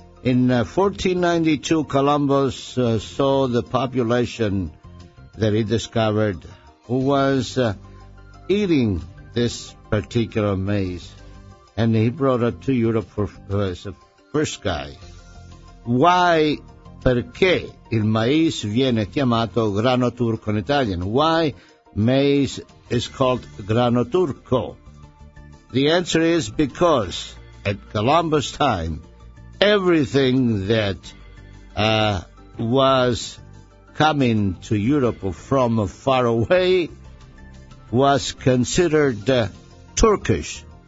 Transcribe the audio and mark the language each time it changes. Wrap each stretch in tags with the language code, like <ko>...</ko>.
<en>In 1492, Columbus saw the population that he discovered who was eating this particular maize, and he brought it to Europe for as a first guy. Why,</en> <it>perché il mais viene chiamato grano turco</it> <en>in Italian? Why maize is called</en> <it>grano turco?</it> <en>The answer is because at Columbus' time, everything that was coming to Europe from far away was considered Turkish.</en>